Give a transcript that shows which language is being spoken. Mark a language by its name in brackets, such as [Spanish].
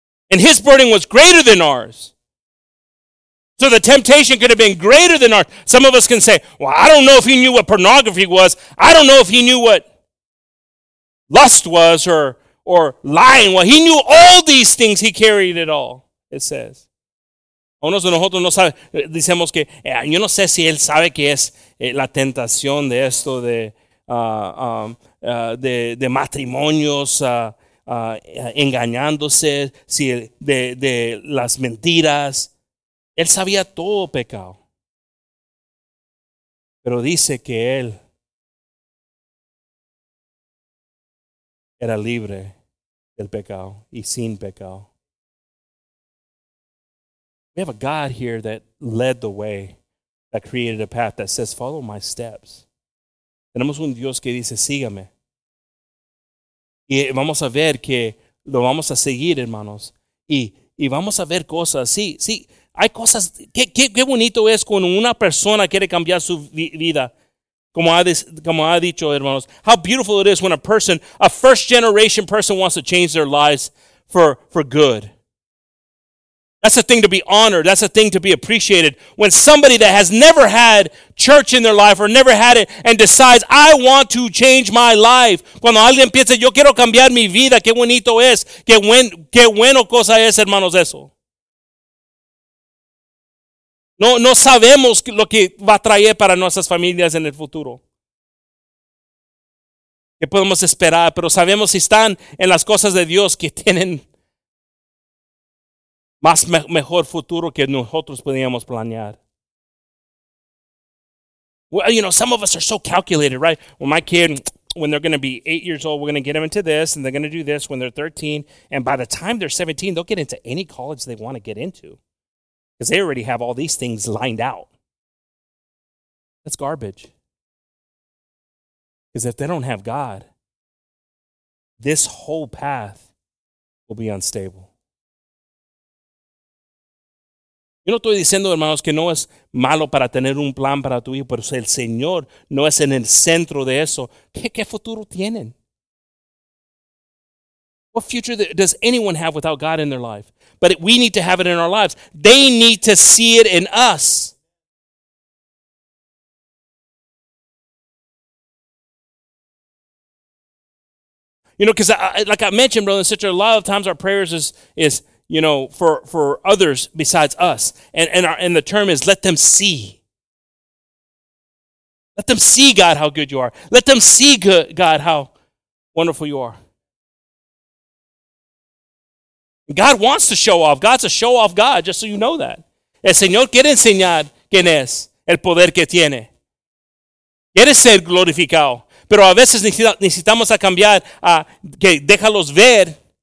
[English] And his burden was greater than ours. So the temptation could have been greater than ours. Some of us can say, well, I don't know if he knew what pornography was. I don't know if he knew what lust was or lying. Well, he knew all these things. He carried it all, it says. [Spanish] A unos de nosotros no sabe, decimos que, yo no sé si él sabe que es la tentación de esto de matrimonios, engañándose, si de las mentiras. Él sabía todo pecado. Pero dice que él era libre del pecado y sin pecado. [English] We have a God here that led the way, that created a path that says, follow my steps. [Spanish] Tenemos un Dios que dice, sígame. Y vamos a ver que lo vamos a seguir, hermanos. Y vamos a ver cosas. Sí, sí, hay cosas. Qué bonito es cuando una persona quiere cambiar su vida. Como ha dicho, hermanos. [English] How beautiful it is when a person, a first generation person, wants to change their lives for good. That's a thing to be honored. That's a thing to be appreciated. When somebody that has never had church in their life or never had it and decides, I want to change my life. [Spanish] Cuando alguien piensa, yo quiero cambiar mi vida. Qué bonito es. Qué bueno cosa es, hermanos, eso. No sabemos lo que va a traer para nuestras familias en el futuro. Qué podemos esperar. Pero sabemos si están en las cosas de Dios que tienen más mejor futuro que nosotros podíamos planear. [English] Well, you know, some of us are so calculated, right? Well, my kid, when they're going to be 8 years old, we're going to get them into this, and they're going to do this when they're 13. And by the time they're 17, they'll get into any college they want to get into. Because they already have all these things lined out. That's garbage. Because if they don't have God, this whole path will be unstable. [Spanish] Yo no estoy diciendo, hermanos, que no es malo para tener un plan para tu hijo, pero si el Señor no es en el centro de eso, ¿qué futuro tienen? [English] What future does anyone have without God in their life? But we need to have it in our lives. They need to see it in us. You know, because like I mentioned, brother and sister, a lot of times our prayers is you know, for others besides us. And the term is, let them see. Let them see, God, how good you are. Let them see, God, how wonderful you are. God wants to show off. God's a show-off God, just so you know that. [Spanish] El Señor quiere enseñar quién es el poder que tiene. Quiere ser glorificado. Pero a veces necesitamos a cambiar a que déjalos ver.